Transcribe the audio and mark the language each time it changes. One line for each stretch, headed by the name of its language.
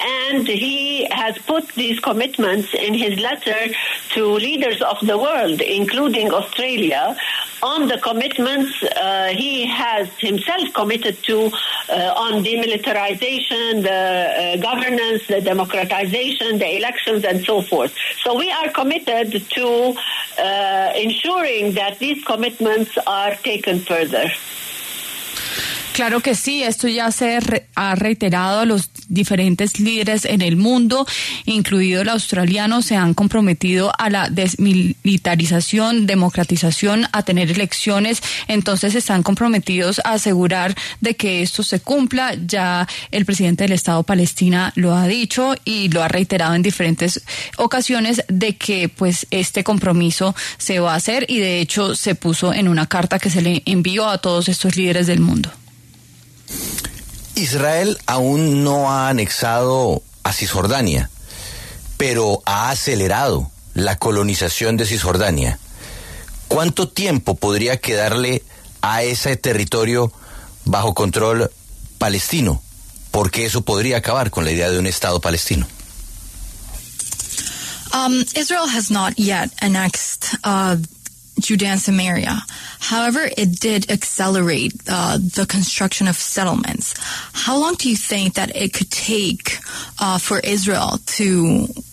English: And he has put these commitments in his letter to leaders of the world, including Australia, on the commitments he has himself committed to on demilitarization, the governance, the democratization, the elections, and so forth. So we are committed to ensuring that these commitments are taken further.
Spanish: Claro que sí, esto ya se ha reiterado. Los diferentes líderes en el mundo, incluido el australiano, se han comprometido a la desmilitarización, democratización, a tener elecciones. Entonces están comprometidos a asegurar de que esto se cumpla. Ya el presidente del Estado Palestina lo ha dicho y lo ha reiterado en diferentes ocasiones de que pues este compromiso se va a hacer, y de hecho se puso en una carta que se le envió a todos estos líderes del mundo. Israel aún no ha anexado a Cisjordania, pero ha acelerado la colonización de Cisjordania. ¿Cuánto tiempo podría quedarle a ese territorio bajo control palestino? Porque eso podría acabar con la idea de un Estado palestino.
English: Israel has not yet annexed Judea and Samaria. However, it did accelerate the construction of settlements. How long do you think that it could take for Israel to